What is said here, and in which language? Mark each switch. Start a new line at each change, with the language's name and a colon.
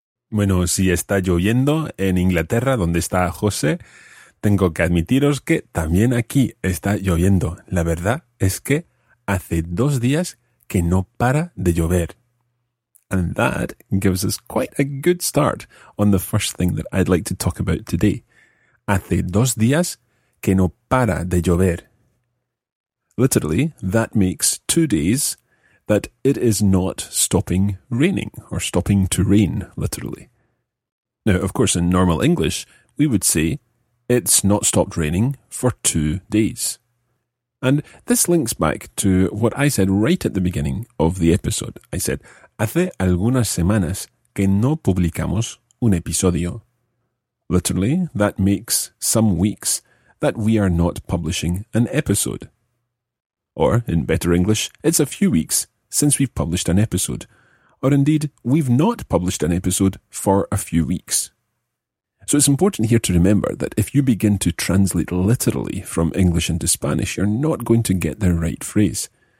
Spanish: Bueno, si está lloviendo en Inglaterra, donde está José, tengo que admitiros que también aquí está lloviendo. La verdad es que hace 2 días que no para de llover.
English: And that gives us quite a good start on the first thing that I'd like to talk about today.
Spanish: Hace 2 días que no para de llover.
English: Literally, that makes 2 days that it is not stopping raining, or stopping to rain, literally. Now, of course, in normal English, we would say, it's not stopped raining for 2 days. And this links back to what I said right at the beginning of the episode. I said,
Spanish: hace algunas semanas que no publicamos un episodio.
English: Literally, that makes some weeks that we are not publishing an episode. Or, in better English, it's a few weeks since we've published an episode. Or indeed, we've not published an episode for a few weeks. So it's important here to remember that if you begin to translate literally from English into Spanish, you're not going to get the right phrase.